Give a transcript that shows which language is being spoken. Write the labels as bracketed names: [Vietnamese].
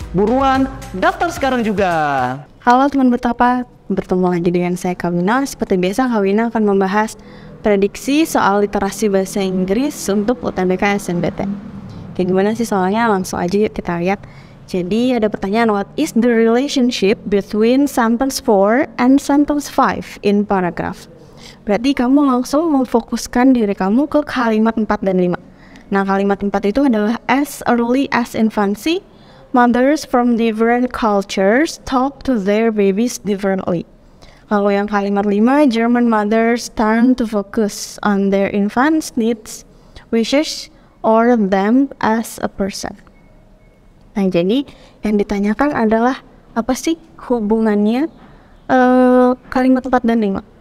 [Indonesian] Buruan, daftar sekarang juga. Halo teman Bertapa, bertemu lagi dengan saya Kawina. Seperti biasa, Kawina akan membahas prediksi soal literasi bahasa Inggris untuk UTBK SNBT. Kayak gimana sih soalnya? Langsung aja yuk kita lihat. Jadi ada pertanyaan, [English] what is the relationship between sentence 4 and sentence 5 in paragraph? [Indonesian] Berarti kamu langsung memfokuskan diri kamu ke kalimat 4 dan 5. Nah, kalimat 4 itu adalah [English] as early as infancy, mothers from different cultures talk to their babies differently. [Indonesian] Lalu yang kalimat 5, [English] German mothers turn to focus on their infant's needs, wishes, or them as a person. [Indonesian] Nah, jadi yang ditanyakan adalah apa sih hubungannya kalimat 4 dan 5?